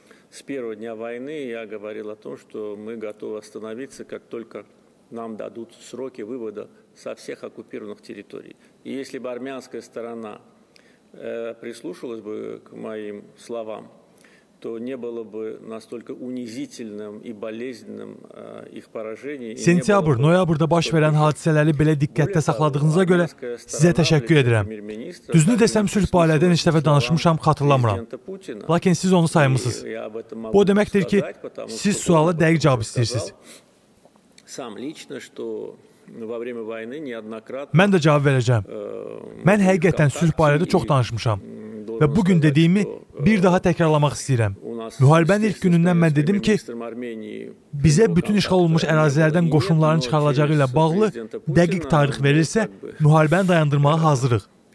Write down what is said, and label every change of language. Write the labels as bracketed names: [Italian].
[Russian] С первого дня войны я говорил о том, что мы готовы остановиться, как только нам дадут сроки вывода со всех оккупированных территорий. И если бы армянская сторона прислушалась бы к моим словам, то не было бы настолько унизительным и болезненным их поражение. Сентябрь, [Azerbaijani] ноябрьда baş veren hadiseleri belə diqqətdə saxladığınıza görə sizə təşəkkür edirəm. Düzünü desəm, sülh barədə neçə dəfə danışmışam, xatırlamıram. Lakin siz onu saymısınız. Bu deməkdir ki, siz suala dəqiq cavab istəyirsiniz. [Russian] Сам лично, что во время войны неоднократно. [Azerbaijani] Mən də cavab verəcəm. Mən həqiqətən sülh barədə çox danışmışam. Və bu gün dediyimi bir daha təkrarlamaq istəyirəm. Müharibənin ilk günündən mən dedim ki, bizə bütün işğal olunmuş ərazilərdən qoşunların çıxarılacağı ilə bağlı dəqiq tarix verilsə, müharibəni dayandırmağa hazırıq.